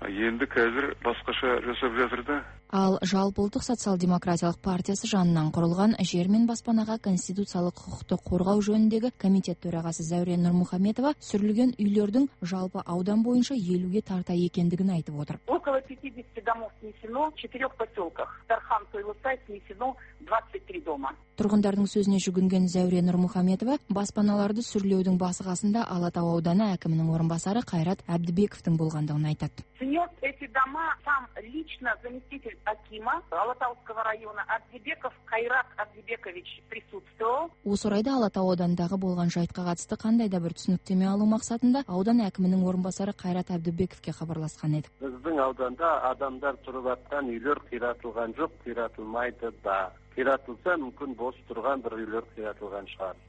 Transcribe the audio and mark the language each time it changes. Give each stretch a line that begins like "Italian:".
Kazakh: Енді қазір басқаша жасап жатыр да. Ал жалпыұлттық социал-демократиялық партиясы жанынан құрылған жер мен баспанаға конституциялық құқықты қорғау жөніндегі комитет төрағасы Зәурен Нұрмұхаметова сүрілген үйлердің жалпы аудан бойынша 50-ге тарта екендігін айтып отыр.
Russian: Около 50 домов снесено в 4 поселках. Дархан, Тойлысай снесено 23 дома.
Kazakh: Тұрғындардың сөзіне жүгінген Зәуре Нұрмұхаметова баспаналарды сүрлеудің басы қасында Алатау ауданы әкімінің орынбасары Қайрат Әбдібековтің болғандығын айтады.
Russian: Снес эти дома сам лично заместитель акима Алатауского района Әбдібеков Қайрат Әбдібекович присутствовал.
Kazakh: Осы орайда Алатау ауданындағы болған жайтқа қатысты қандай да бір түсініктеме алу мақсатында аудан әкімінің орынбасары Қайрат Әбдібековке хабарласқан еді. Біздің ауданда адамдар тұрып жатқан үйлер қиратылған жоқ, қиратылмайды да. Қиратылса, мүмкін бос тұрған бір үйлер қиратылған шығар.